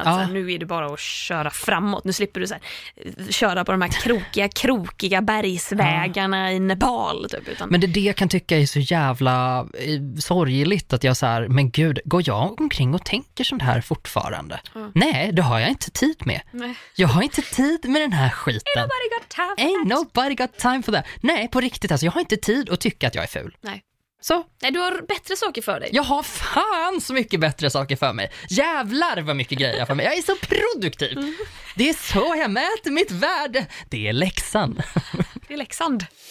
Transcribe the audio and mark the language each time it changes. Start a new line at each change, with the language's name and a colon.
Swedish: Att så här, nu är det bara att köra framåt. Nu slipper du så här, köra på de här krokiga bergsvägarna i Nepal. Typ, utan... Men det jag kan tycka är så jävla sorgligt. Att jag så här, men gud, går jag omkring och tänker sånt här fortfarande? Nej, det har jag inte tid med. Nej. Jag har inte tid med den här skiten.
English: Ain't nobody got time for that. Ain't nobody got time for that.
Swedish: Nej, på riktigt. Alltså, jag har inte tid att tycka att jag är ful. Nej. Så. Nej, du har bättre saker för dig. Jag har fan så mycket bättre saker för mig. Jävlar vad mycket grejer jag har för mig. Jag är så produktiv. Det är så jag mäter mitt värde. Det är läxan. Det är läxand.